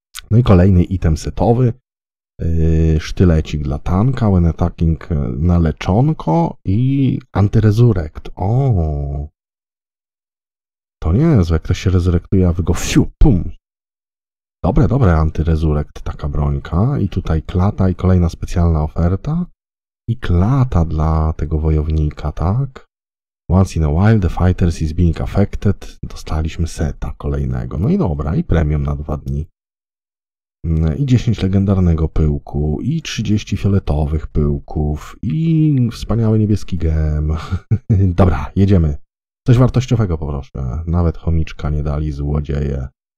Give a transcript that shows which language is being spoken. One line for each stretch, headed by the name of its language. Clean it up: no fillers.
Polish: No i kolejny item setowy, sztylecik dla tanka,
English: when attacking
Polish: na leczonko i antyresurrect, o. To nie jest, jak ktoś się rezurektuje, a wy go fiu, pum. Dobre, dobre, antyrezurekt, taka brońka. I tutaj klata i kolejna specjalna oferta. I klata dla tego wojownika, tak?
English: Once in a while the fighters is being affected.
Polish: Dostaliśmy seta kolejnego. No i dobra, i premium na 2 dni. I 10 legendarnego pyłku, i 30 fioletowych pyłków, i wspaniały niebieski gem. Dobra, jedziemy. Coś wartościowego poproszę. Nawet chomiczka nie dali, złodzieje.